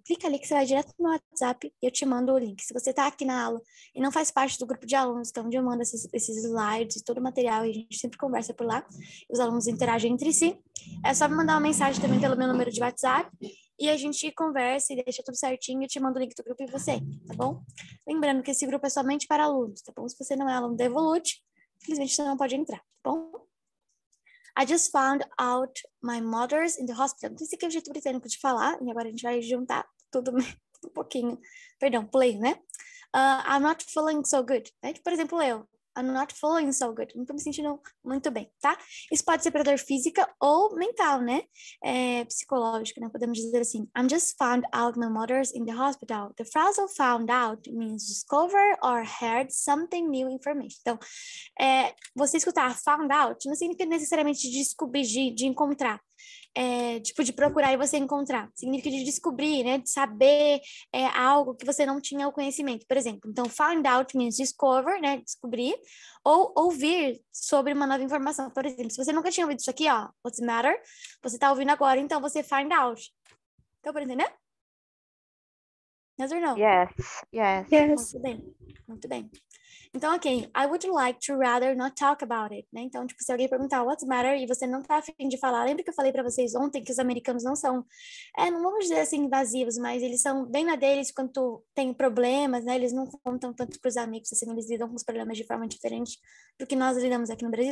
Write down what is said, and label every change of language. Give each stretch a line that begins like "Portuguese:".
Portuguese: Clica ali que você vai direto no WhatsApp e eu te mando o link. Se você está aqui na aula e não faz parte do grupo de alunos, que é onde eu mando esses slides e todo o material, e a gente sempre conversa por lá, os alunos interagem entre si, é só me mandar uma mensagem também pelo meu número de WhatsApp, e a gente conversa e deixa tudo certinho, eu te mando o link do grupo e você, tá bom? Lembrando que esse grupo é somente para alunos, tá bom? Se você não é aluno da Evolute, infelizmente você não pode entrar, tá bom?
English: I just found out my mother's in the hospital.
Portuguese: Então, esse aqui é o jeito britânico de falar, e agora a gente vai juntar tudo um pouquinho. Perdão, play, né?
English: I'm not feeling so good,
Portuguese: né? Por exemplo, eu.
English: I'm not feeling so good.
Portuguese: Não tô me sentindo muito bem, tá? Isso pode ser para dor física ou mental, né? É psicológico, né? Podemos dizer assim.
English: I'm just found out my mother's in the hospital. The phrase of found out means discover or heard something new information.
Portuguese: Então, você escutar found out não significa necessariamente descobrir, de encontrar. Tipo, de procurar e você encontrar. Significa de descobrir, né? De saber algo que você não tinha o conhecimento. Por exemplo, então,
English: find out means discover,
Portuguese: né? Descobrir. Ou ouvir sobre uma nova informação. Por exemplo, se você nunca tinha ouvido isso aqui, ó.
English: What's the matter?
Portuguese: Você tá ouvindo agora, então você find out. Então, por entender?
English: Yes or no? Yes.
Portuguese: Muito bem.
English: Então, ok, I would like to rather not talk about it, né?
Portuguese: Então, tipo, se alguém perguntar
English: what's the matter
Portuguese: e você não tá afim de falar, lembra que eu falei pra vocês ontem que os americanos não são, não vamos dizer assim, invasivos, mas eles são bem na deles quando tem problemas, né? Eles não contam tanto pros amigos, assim, eles lidam com os problemas de forma diferente do que nós lidamos aqui no Brasil.